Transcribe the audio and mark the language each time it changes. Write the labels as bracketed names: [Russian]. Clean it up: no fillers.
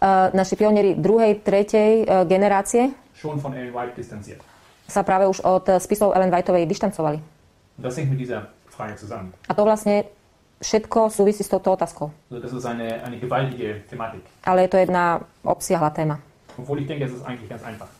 [Slovak] Naši pionieri druhej, tretej generácie [German] schon von Ellen White distanziert. [Slovak] Sa práve už od spisov Ellen Whiteovej distancovali. [German] Das hängt mit dieser Frage zusammen. [Slovak] A to vlastne všetko súvisí s touto otázkou. [German] Das ist eine gewaltige Thematik. [Slovak] Ale je to jedna obsiahla téma. [German] Obwohl ich denke, es ist eigentlich ganz einfach.